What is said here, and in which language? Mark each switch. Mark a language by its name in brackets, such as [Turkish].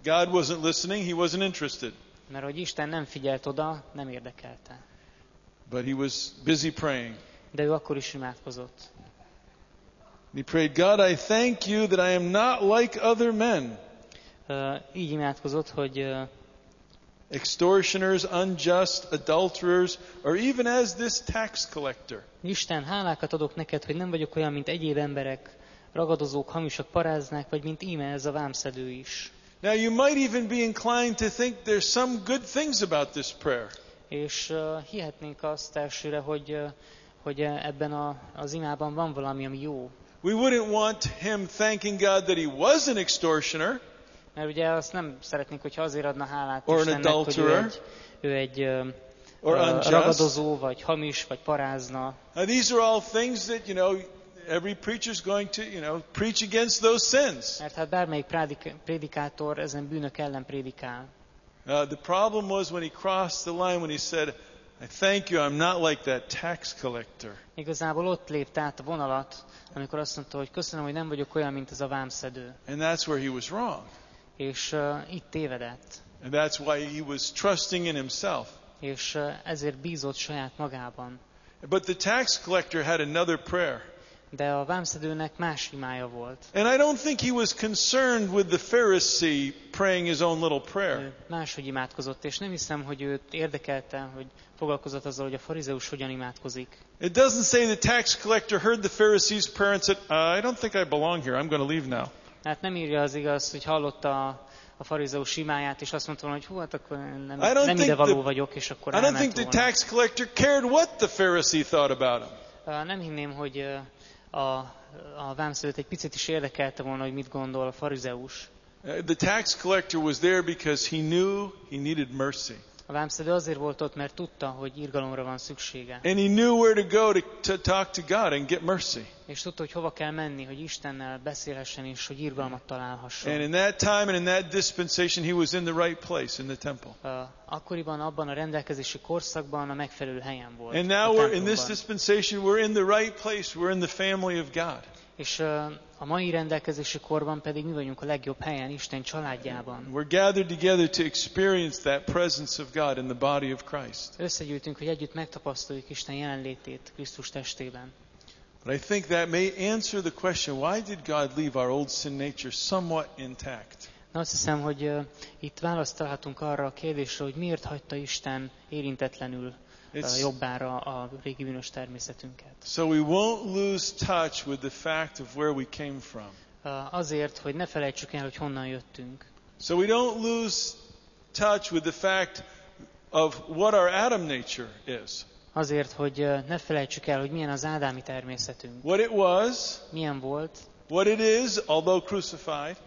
[English] God wasn't listening, he wasn't interested. [Hungarian] Mert hogy Isten nem figyelt oda, nem érdekelte. [English] But he was busy praying. [Hungarian] De ő akkor is imádkozott. [English] He prayed, God, I thank you that I am not like other men. [Hungarian] Így imádkozott, hogy [English] extortioners, unjust, adulterers, or even as this tax collector. [Hungarian] Isten, hálákat adok neked, hogy nem vagyok olyan, mint egyéb emberek, ragadozók, hamisak, paráznák, vagy mint íme ez a vámszedő is. [English] Now you might even be inclined to think there's some good things about this prayer. [Hungarian] És hihetnénk azt elsőre, hogy ebben az imában van valami, ami jó. [English] We wouldn't want him thanking God that he was an extortioner. [Hungarian] Mert ugye azt nem szeretnénk, hogyha azért adna hálát Istennek, hogy ő egy ragadozó, vagy hamis, vagy parázna. [English] And these are all things that, you know, every preacher is going to, you know, preach against those sins. [Hungarian] Mert hát bármelyik prédikátor ezen bűnök ellen prédikál. [English] The problem was when he crossed the line, when he said, I thank you, I'm not like that tax collector. [Hungarian] Igazából ott lépt át a vonalat, amikor azt mondta, hogy köszönöm, hogy nem vagyok olyan, mint ez a vámszedő. [English] And that's where he was wrong. [Hungarian] És itt tévedett. [English] And that's why he was trusting in himself. [Hungarian] És ezért bízott saját magában. [English] But the tax collector had another prayer. [Hungarian] De a vámszedőnek más imája volt. [English] And I don't think he was concerned with the Pharisee praying his own little prayer. [Hungarian] Máshogy imádkozott, és nem hiszem, hogy őt érdekelte, hogy foglalkozott azzal, hogy a farizeus hogyan imádkozik. [English] It doesn't say the tax collector heard the Pharisee's prayer and said, I don't think I belong here, I'm going to leave now. [Hungarian] Hát nem írja az igaz, hogy hallotta a farizeus imáját, és azt mondta volna, hogy hú, hát akkor nem ide való vagyok, és akkor elment volna. [English] I don't think the tax collector cared what the Pharisee thought about him. [Hungarian] Nem hinném, hogy a vámszedőt egy picit is érdekelte volna, hogy mit gondol a farizeus. [English] The tax collector was there because he knew he needed mercy. [Hungarian] A vámszedő azért volt ott, mert tudta, hogy irgalomra van szüksége. [English] And he knew where to go to talk to God and get mercy. [Hungarian] És tudta, hogy hova kell menni, hogy Istennel beszélhessen és hogy irgalmat találhasson. [English] And in that time and in that dispensation he was in the right place in the temple. [Hungarian] Akkoriban abban a rendelkezési korszakban a megfelelő helyen volt. [English] And now we're in this dispensation, we're in the right place, we're in the family of God. [Hungarian] És a mai rendelkezési korban pedig mi vagyunk a legjobb helyen, Isten családjában. [English] We're gathered together to experience that presence of God in the body of Christ. [Hungarian] Összegyűltünk, hogy együtt megtapasztaljuk Isten jelenlétét Krisztus testében. [English] But I think that may answer the question, why did God leave our old sin nature somewhat intact? [Hungarian] Na, azt hiszem, hogy itt választ találhatunk arra a kérdésre, hogy miért hagyta Isten érintetlenül jobbára a régi bűnös természetünket. [English] So we won't lose touch with the fact of where we came from. [Hungarian] Azért, hogy ne felejtsük el, hogy honnan jöttünk. [English] So we don't lose touch with the fact of what our Adam nature is. [Hungarian] Azért, hogy ne felejtsük el, hogy milyen az ádámi természetünk. [English] What it was. [Hungarian] Milyen volt. [English] What it is, although crucified.